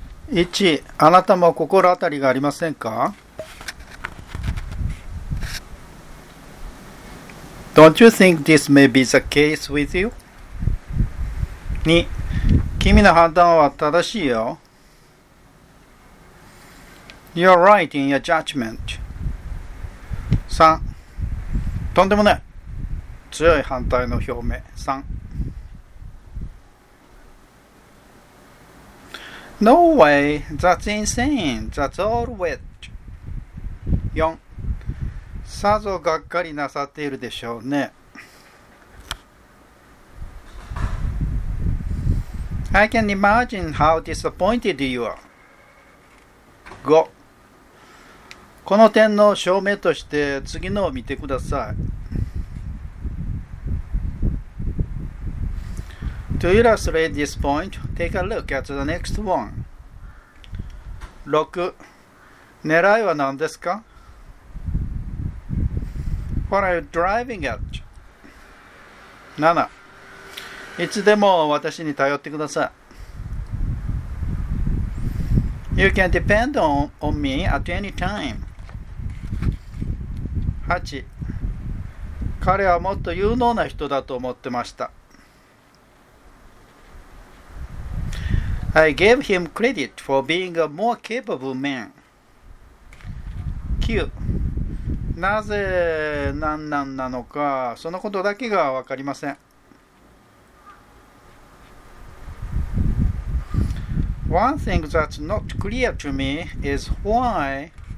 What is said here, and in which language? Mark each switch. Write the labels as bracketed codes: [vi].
[ja] 1、あなたも心当たりがありませんか？ [en] Don't you think this may be the case with you? [ja] 2、君の判断は正しいよ。 [en] You're right in your judgment. [ja] 3、とんでもない。 [en] 強い反対の表明。3、 No way, that's insane, that's all wet. 4. [ja] さぞがっかりなさっているでしょうね。 [en] I can imagine how disappointed you are. 5. [ja] この点の証明として次のを見てください。 [en] To illustrate this point, take a look at the next one. [ja] 6. 狙いは何ですか? [en] What are you driving at? 7. [ja] いつでも私に頼ってください。 [en] You can depend on me at any time. 8. [ja] 彼はもっと有能な人だと思ってました。 [en] I gave him credit for being a more capable man. 9. [ja] なぜ何なんなのか、そのことだけがわかりません。 [en] One thing that's not clear to me is why.